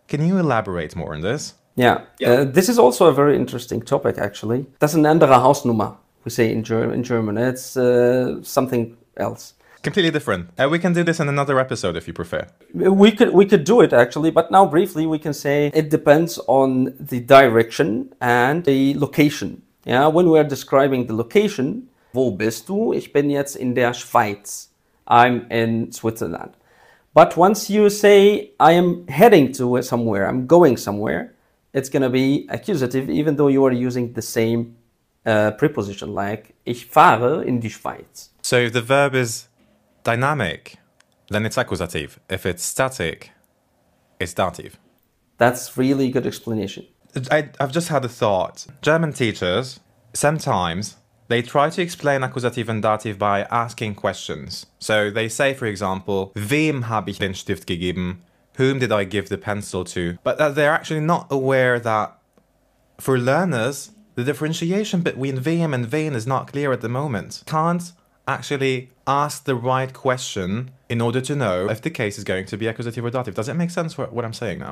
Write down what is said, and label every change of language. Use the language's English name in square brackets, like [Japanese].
[English] Can you elaborate more on this? Yeah. This is also a very interesting topic, actually. [German] Das ist eine andere Hausnummer, [English] we say in German. It's something else. Completely different. We can do this in another episode if you prefer. We could do it actually, but now briefly we can say it depends on the direction and the location. Yeah, when we are describing the location, [German] wo bist du? Ich bin jetzt in der Schweiz. [English] I'm in Switzerland. But once you say I am heading to somewhere, I'm going somewhere, it's going to be accusative even though you are using the same preposition like [German] ich fahre in die Schweiz. [English] So if the verb is dynamic, then it's accusative. If it's static, it's dative. That's really good explanation. I've just had a thought. German teachers, sometimes, they try to explain accusative and dative by asking questions. So they say, for example, [German] wem habe ich den Stift gegeben? [English] Whom did I give the pencil to? But that they're actually not aware that for learners, the differentiation between wem and wen is not clear at the moment. Can't actually ask the right question in order to know if the case is going to be accusative or dative. Does it make sense what I'm saying now?